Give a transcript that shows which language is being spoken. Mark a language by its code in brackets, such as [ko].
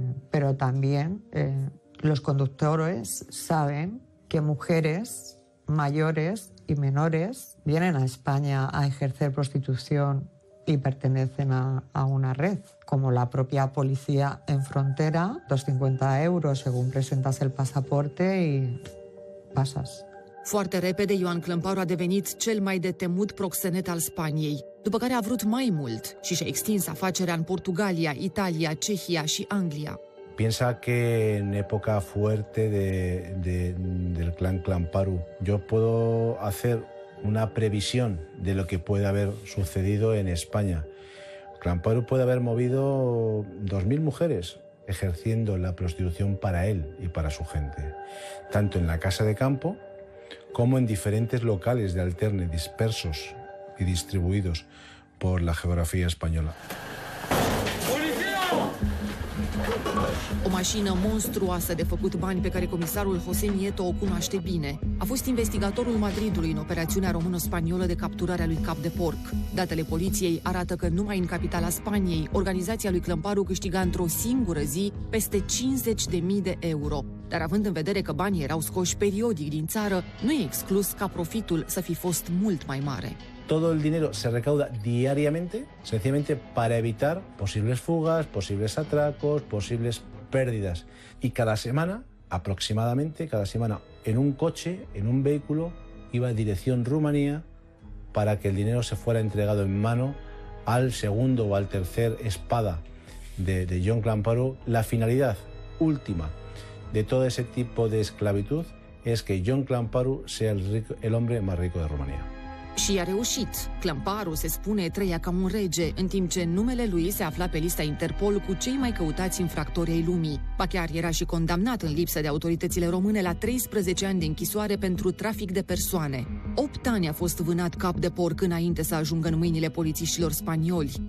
[es] Pero también los conductores saben que mujeres mayores y menores vienen a España a ejercer prostitución y pertenecen a una red, como la propia policía en frontera, 250 euros según presentas el pasaporte y pasas. [ro] Foarte repede, Ioan Clămparu a devenit cel mai de temut proxenet al Spaniei, după care a vrut mai mult și și-a extins afacerea în Portugalia, Italia, Cehia și Anglia. [es] Piensa que en época fuerte del clan Clamparu, yo puedo hacer una previsión de lo que puede haber sucedido en España. Clamparu puede haber movido 2.000 mujeres ejerciendo la prostitución para él y para su gente, tanto en la casa de campo como en diferentes locales de alterne dispersos y distribuidos por la geografía española. [ro] O mașină monstruoasă de făcut bani pe care comisarul José Nieto o cunoaște bine. A fost investigatorul Madridului în operațiunea româno-spaniolă de capturare a lui Cap de Porc. Datele poliției arată că numai în capitala Spaniei, organizația lui Clămparu câștiga într-o singură zi peste 50.000 de euro. Dar având în vedere că banii erau scoși periodic din țară, nu e exclus ca profitul să fi fost mult mai mare. [es] Todo el dinero se recauda diariamente, sencillamente para evitar posibles fugas, posibles atracos, posibles pérdidas. Y cada semana, aproximadamente cada semana, en un coche, en un vehículo, iba en dirección Rumanía para que el dinero se fuera entregado en mano al segundo o al tercer espada de John Clamparu. La finalidad última de todo ese tipo de esclavitud es que John Clamparu sea el hombre más rico de Rumanía. [ro] Și a reușit. Clamparu, se spune, trăia ca un rege, în timp ce numele lui se afla pe lista Interpol cu cei mai căutați infractori ai lumii. Ba chiar era și condamnat în lipsă de autoritățile române la 13 ani de închisoare pentru trafic de persoane. 8 ani a fost vânat Cap de Porc înainte să ajungă în mâinile polițiștilor spanioli.